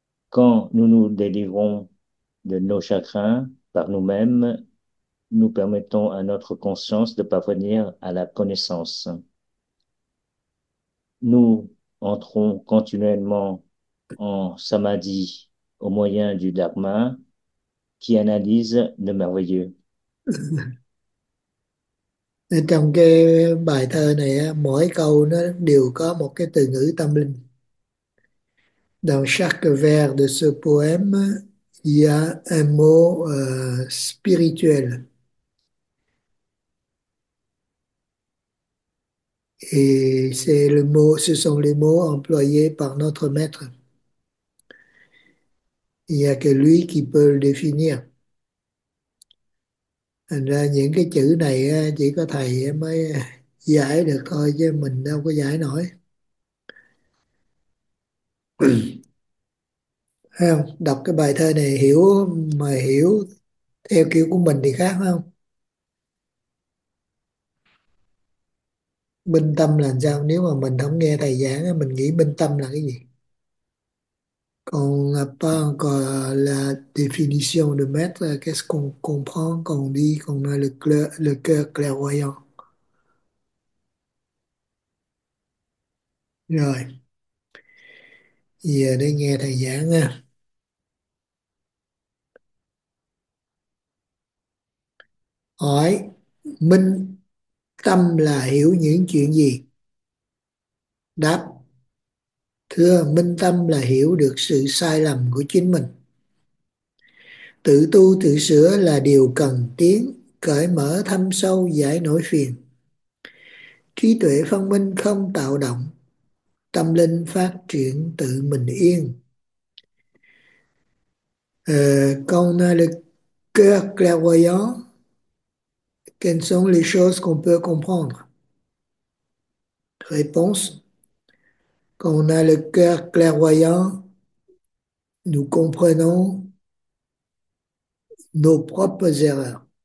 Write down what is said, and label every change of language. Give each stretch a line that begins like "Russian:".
French: Quand nous nous délivrons de nos chagrins par nous-mêmes, nous permettons à notre conscience de parvenir à la connaissance. Nous entrons continuellement en samadhi au moyen du dharma qui analyse le merveilleux.
Vietnamese: Trong cái bài thơ này, mỗi câu nó đều có một cái từ ngữ tâm linh.
French: Dans chaque vers de ce poème, il y a un mot spirituel. Et c'est le mot, ce sont les mots employés par notre maître. Il n'y a que lui qui peut le définir.
Vietnamese: Thành ra những cái chữ này chỉ có thầy mới giải được thôi, chứ mình đâu có giải nổi. Thấy không? Đọc cái bài thơ này hiểu, mà hiểu theo kiểu của mình thì khác không? Minh tâm là sao? Nếu mà mình không nghe thầy giảng, mình nghĩ minh tâm là cái gì?
French: Còn pas encore la définition de maître, qu'est-ce qu'on comprend quand on dit qu'on a le cœur clairvoyant.
Vietnamese: Rồi. Giờ để nghe thầy giảng nha. Hỏi, minh tâm là hiểu những chuyện gì? Đáp, thưa, minh tâm là hiểu được sự sai lầm của chính mình. Tự tu tự sửa là điều cần tiến, cởi mở thâm sâu giải nổi phiền. Trí tuệ phân minh không tạo động, tâm linh phát triển tự mình yên.
French: Con a le cœur clairvoyant, quelles sont les choses qu'on peut comprendre? Réponse. Quand on a le cœur clairvoyant, nous comprenons nos propres erreurs.